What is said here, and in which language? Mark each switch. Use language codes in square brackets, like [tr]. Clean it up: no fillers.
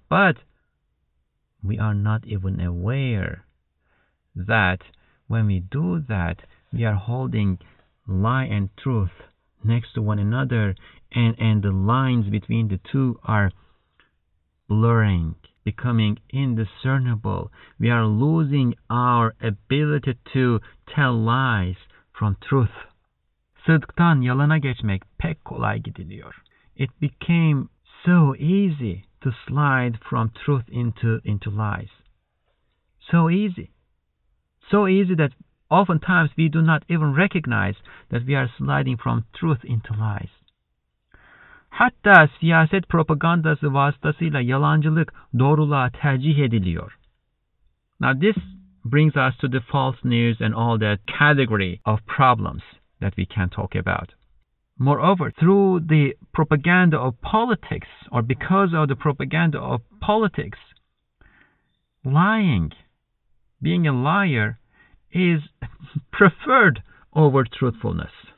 [en] But we are not even aware that when we do that, we are holding lie and truth next to one another, and the lines between the two are blurring, becoming indiscernible. We are losing our ability to tell lies from truth. [tr] Sıdktan yalana geçmek pek kolay gidiliyor. [en] It became so easy to slide from truth into lies. So easy. So easy that oftentimes we do not even recognize that we are sliding from truth into lies. [tr] Hatta siyaset propagandası vasıtasıyla yalancılık doğruluğa tercih ediliyor. [en] Now this brings us to the false news and all that category of problems that we can talk about. Moreover, through the propaganda of politics, or because of the propaganda of politics, lying, being a liar, is preferred over truthfulness.